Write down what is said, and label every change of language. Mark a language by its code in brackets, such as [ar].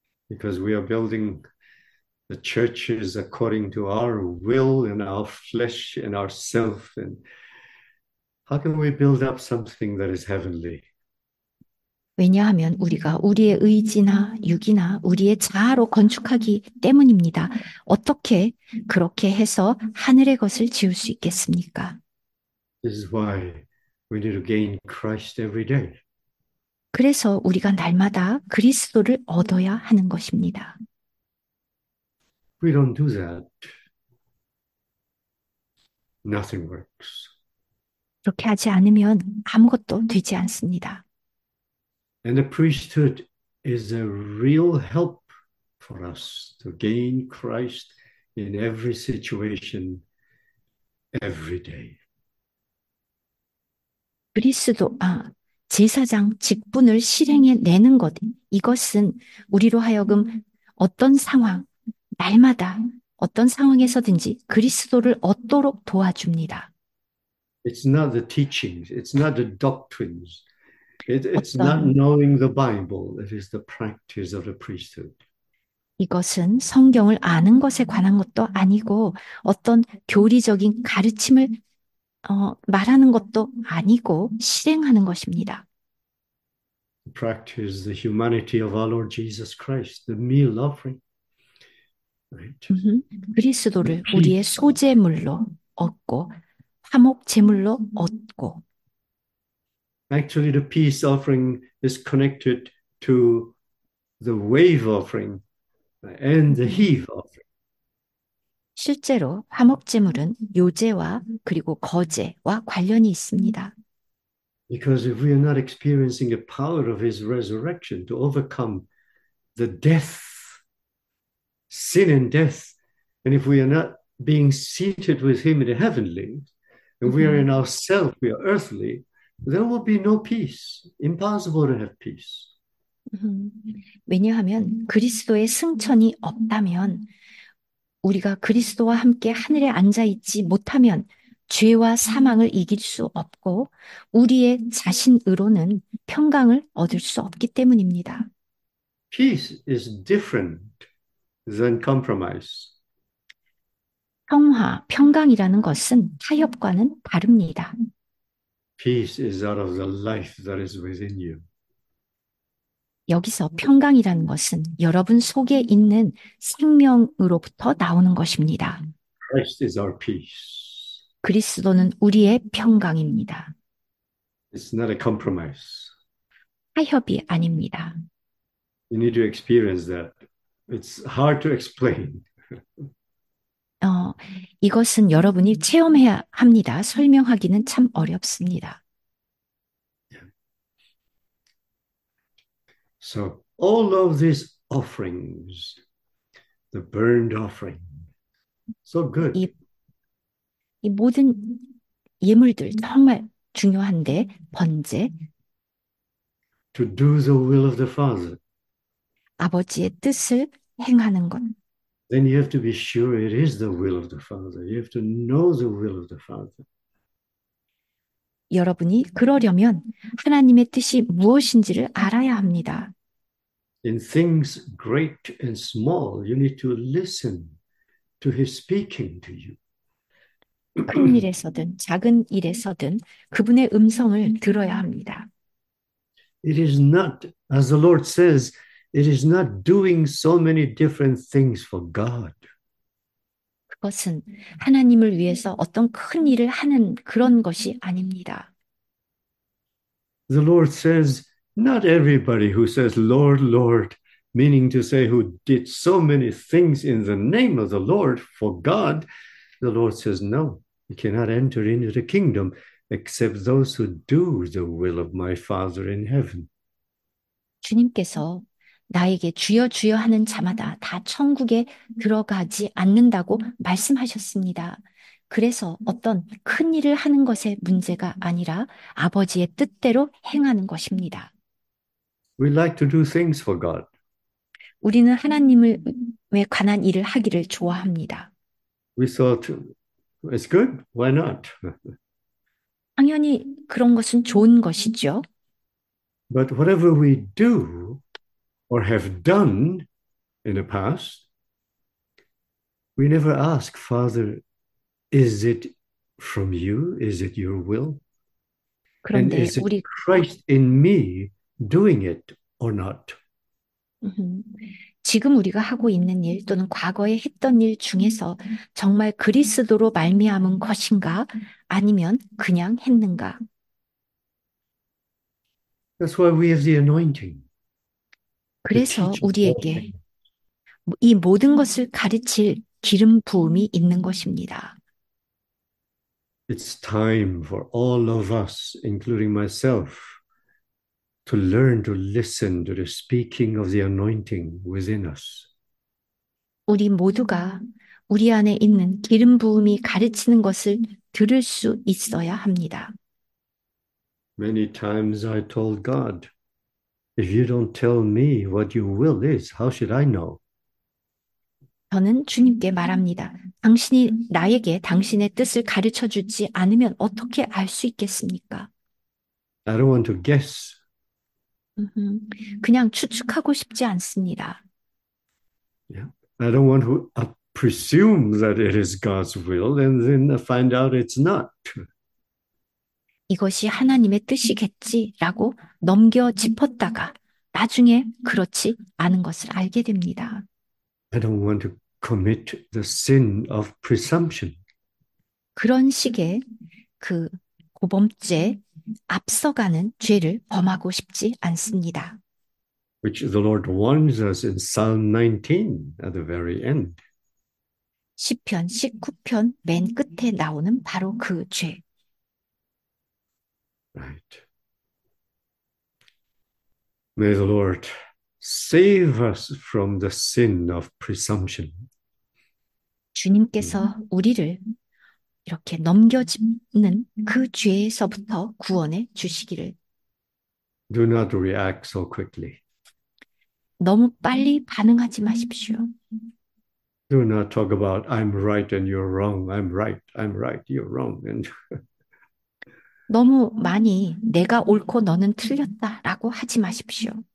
[en] Because we are building the churches according to our will and our flesh and our self. And how can we build up something that is heavenly? [ko] 왜냐하면 우리가 우리의 의지나 육이나 우리의 자아로 건축하기 때문입니다. 어떻게 그렇게 해서 하늘의 것을 지을 수 있겠습니까? [en] This is why we need to gain Christ every day. [ko] 그래서 우리가 날마다 그리스도를 얻어야 하는 것입니다. [en] We don't do that. Nothing works. [ko] 그렇게 하지 않으면 아무것도 되지 않습니다. [en] And the priesthood is a real help for us to gain Christ in every situation, every day. [ko] 제사장 직분을 실행해 내는 것, 이것은 우리로 하여금 어떤 상황, 날마다 어떤 상황에서든지 그리스도를 얻도록 도와줍니다. [en] It's not the teachings, it's not the doctrines, it's not [ko] 어떤 [en] knowing the Bible, it is the practice of the priesthood. [ko] 이것은 성경을 아는 것에 관한 것도 아니고 어떤 교리적인 가르침을 말하는 것도 아니고 실행하는 것입니다. [en] The practice, the humanity of our Lord Jesus Christ, the meal offering, right? The [ko] 그리스도를 우리의 [en] peace offering. [ko] 소제물로 얻고 화목 제물로 얻고 [en] Actually, the peace offering is connected to the wave offering and the heave offering. [ko] 실제로 화목제물은 요제와 그리고 거제와 관련이 있습니다. [en] Because if we are not experiencing the power of his resurrection to overcome the death, sin and death, and if we are not being seated with him in the heavenly, and we are in ourselves, we are earthly. There will be no peace. Impossible to have peace. [ko] 왜냐하면 그리스도의 승천이 없다면 우리가 그리스도와 함께 하늘에 앉아 있지 못하면 죄와 사망을 이길 수 없고 우리의 자신으로는 평강을 얻을 수 없기 때문입니다. [en] Peace is different than compromise. [ko] 평화, 평강이라는 것은 타협과는 다릅니다. [en] Peace is out of the life that is within you. [ko] 여기서 평강이라는 것은 여러분 속에 있는 생명으로부터 나오는 것입니다. [en] Christ is our peace. [ko] 그리스도는 우리의 평강입니다. [en] It's not a compromise. [ko] 타협이 아닙니다. [en] You need to experience that. It's hard to explain. [ko] 이것은 여러분이 체험해야 합니다. 설명하기는 참 어렵습니다. [en] So, all of these offerings, the burned offering, so good. [ko] 이 모든 예물들 정말 중요한데, 번제. [en] To do the will of the Father. [ko] 아버지의 뜻을 행하는 것. [en] Then you have to be sure it is the will of the Father. You have to know the will of the Father. [ko] 여러분이 그러려면 하나님의 뜻이 무엇인지를 알아야 합니다. [en] In things great and small, you need to listen to his speaking to you. [ko] 큰 일에서든 작은 일에서든 그분의 음성을 들어야 합니다. [en] It is not, as the Lord says, it is not doing so many different things for God. [ko] 그것은 하나님을 위해서 어떤 큰 일을 하는 그런 것이 아닙니다. [en] The Lord says, not everybody who says, Lord, Lord, meaning to say who did so many things in the name of the Lord for God, the Lord says, no, you cannot enter into the kingdom except those who do the will of my Father in heaven. [ko] 주님께서 나에게 주여 주여 하는 자마다 다 천국에 들어가지 않는다고 말씀하셨습니다. 그래서 어떤 큰 일을 하는 것의 문제가 아니라 아버지의 뜻대로 행하는 것입니다. [en] We like to do things for God. [ko] 우리는 하나님을 위해 관한 일을 하기를 좋아합니다. [en] We thought it's good. Why not? [ko] 당연히 그런 것은 좋은 것이죠. [en] But whatever we do or have done in the past, we never ask, Father, is it from you? Is it your will? And [ko] 그런데 [en] is it [ko] 우리 [en] Christ in me doing it? Or not. [ko] 지금 우리가 하고 있는 일 또는 과거에 했던 일 중에서 정말 그리스도로 말미암은 것인가 아니면 그냥 했는가? [en] That's why we have the anointing to teach [ko] 그래서 [en] all [ko] 우리에게 [en] things. [ko] 이 모든 것을 가르칠 기름 부음이 있는 것입니다. [en] It's time for all of us, including myself. To learn to listen to the speaking of the anointing within us. [ko] 우리 모두가 우리 안에 있는 기름 부음이 가르치는 것을 들을 수 있어야 합니다. [en] Many times I told God, if you don't tell me what your will is, how should I know? [ko] 저는 주님께 말합니다. 당신이 나에게 당신의 뜻을 가르쳐 주지 않으면 어떻게 알수 있겠습니까? [en] I don't want to guess. [ko] 그냥 추측하고 싶지 않습니다. [en] I don't want to presume that it is God's will and then find out it's not. [ko] 이것이 하나님의 뜻이겠지라고 넘겨 짚었다가 나중에 그렇지 않은 것을 알게 됩니다. [en] I don't want to commit the sin of presumption. [ko] 그런 식의 그 고범죄 앞서가는 죄를 범하고 싶지 않습니다. [en] Which the Lord warns us in Psalm 19 at the very end. [ko] 시편 19편 맨 끝에 나오는 바로 그 죄. [en] May the Lord save us from the sin of presumption. [ko] 주님께서 우리를 이렇게 넘겨짚는 그 죄에서부터 구원해 주시기를. [en] Do not react so quickly. [ko] 너무 빨리 반응하지 마십시오. [en] Do not talk about I'm right and you're wrong. I'm right, you're wrong. [ko] 너무 많이 내가 옳고 너는 틀렸다라고 하지 마십시오.